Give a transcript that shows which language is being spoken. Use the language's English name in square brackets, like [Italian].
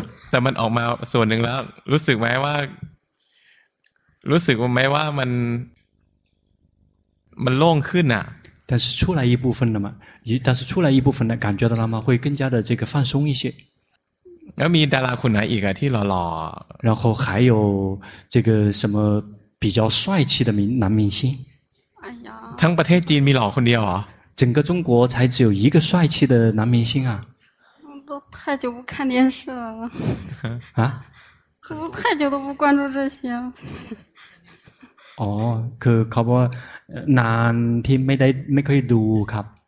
[Thai] แต่มันออกมาส่วนหนึ่งแล้วรู้สึกไหมว่ารู้สึกไหมว่ามันโล่งขึ้นอ่ะ [Chinese] 但是出来一部分了嘛但是出来一部分的感觉到了吗会更加的这个放松一些 [Thai] แล้วมีดาราคนไหนอีกอ่ะที่หล่อ [Chinese] 然后还有这个什么比较帅气的男明星哎呀 [Thai] ทั้งประเทศจีนมีหล่อคนเดียวเหร [Chinese] อ整个中国才只有一个帅气的男明星啊都太久不看电视了啊可能太久都不关注这些。 [Thai] 哦，คือเขาบอกนานที่ไม่ได้ไม่เคยดูครับ